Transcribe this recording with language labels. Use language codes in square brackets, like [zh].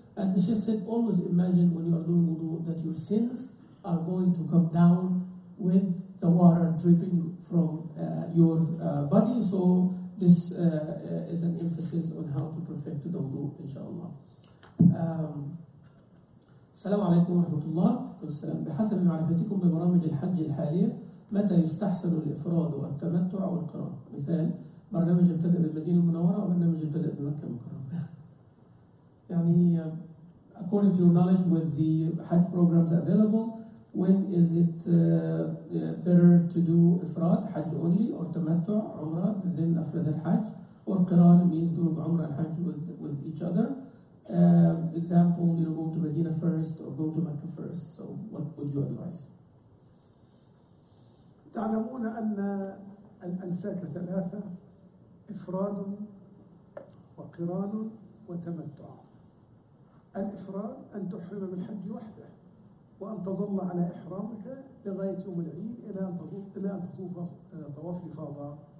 [en] And the Sheikh said, always imagine when you are doing wudu that your sins are going to come down with the water dripping from your body. So this is an emphasis on how to perfect the wudu, inshallah. Assalamu alaikum wa rahmatullah. [ar] بحسب معرفتكم ببرامج الحج الحالية متى يستحسن الإفراد والتمتع والقران؟ مثال برنامج ابتدأ بالمدينة المنورة وبرنامج ابتدأ بمكة المكرمة. [en] يعني according to your knowledge with the Hajj programs available, when is it better to do Ifrad, Hajj only, or Tamattu, Umrah, then Afrad al-Hajj, or Qiran means doing Umrah and Hajj with each other? Example, you know, going to Medina first or go to Mecca first. So what would you advise? [ar] تعلمون أن الأنساك ثلاثة إفراد وقران وتمتع. الإفراد أن تحرم بالحج وحده وأن تظل على إحرامك لغاية يوم العيد إلى أن تطوف طواف الإفاضة